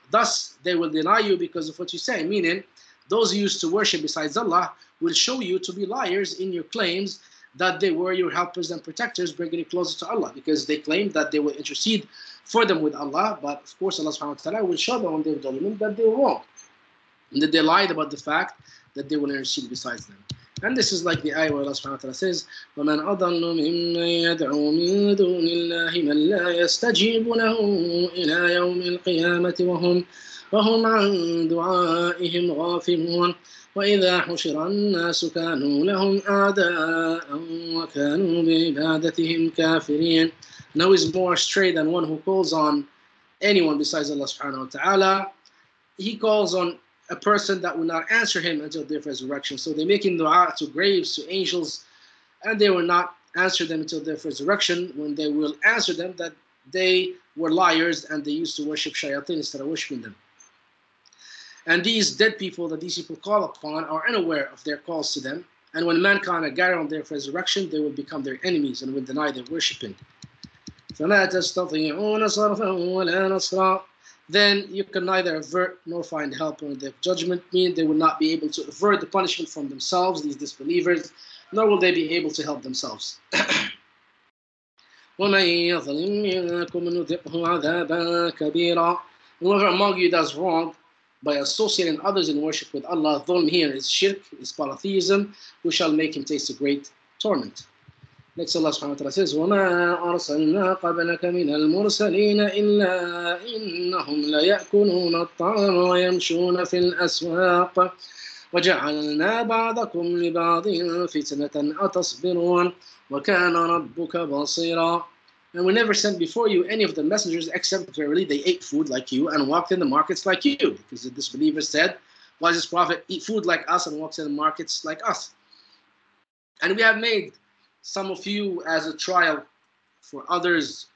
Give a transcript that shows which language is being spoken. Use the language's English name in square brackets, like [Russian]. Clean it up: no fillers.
[English] Thus, they will deny you because of what you say. Meaning, those who used to worship besides Allah will show you to be liars in your claims that they were your helpers and protectors, bringing you closer to Allah, because they claimed that they would intercede for them with Allah, but of course Allah subhanahu wa ta'ala will show them on their document that they were wrong, and that they lied about the fact that they will intercede besides them. And this is like the ayah where Allah subhanahu wa ta'ala says, [Arabic] وَمَنْ أَضَلُّ مِمَّنْ يَدْعُو مِنْ دُونِ اللَّهِ مَنْ لَا يَسْتَجِيبُ لَهُ إِلَى يَوْمِ الْقِيَامَةِ وَهُمْ عَنْ دُعَائِهِمْ غَافِلُونَ وَإِذَا حُشِرَ النَّاسُ كَانُوا لَهُمْ أَعْدَاءً وَكَانُوا بِعِبَادَتِهِمْ كَافِرِينَ. [English] No is more astray than one who calls on anyone besides Allah subhanahu wa ta'ala. He calls on a person that will not answer him until their resurrection. So they're making dua to graves, to angels, and they will not answer them until their resurrection, when they will answer them that they were liars and they used to worship shayateen instead of worshiping them. And these dead people that these people call upon are unaware of their calls to them. And when mankind are gathered on their resurrection, they will become their enemies and will deny their worshiping. [Arabic] فَلَا تَسْتَطِيعُونَ صَرْفًا وَلَا نَصْرًا. [English] Then you can neither avert nor find help in their judgment, meaning they will not be able to avert the punishment from themselves, these disbelievers, nor will they be able to help themselves. [Arabic] وَمَنْ يَظْلِمْ مِنْكُمْ نُذِقْهُ عَذَابًا كَبِيرًا. [English] Whoever among you does wrong by associating others in worship with Allah, dhulm here is shirk, is polytheism, we shall make him taste a great torment. Next, Allah subhanahu wa ta'ala says, [Arabic] وَمَا أَرْسَلْنَا قَبْلَكَ مِنَ الْمُرْسَلِينَ إِلَّا إِنَّهُمْ لَيَأْكُلُونَ الطَّعَامَ وَيَمْشُونَ فِي الْأَسْوَاقِ وَجَعَلْنَا بَعْضَكُمْ لِبَعْضٍ فِتْنَةً أَتَصْبِرُونَ وَكَانَ رَبُّكَ بَصِيرًا. [English] And we never sent before you any of the messengers except verily they ate food like you and walked in the markets like you. Because the disbelievers said, why does this prophet eat food like us and walks in the markets like us? And we have made some of you as a trial for others.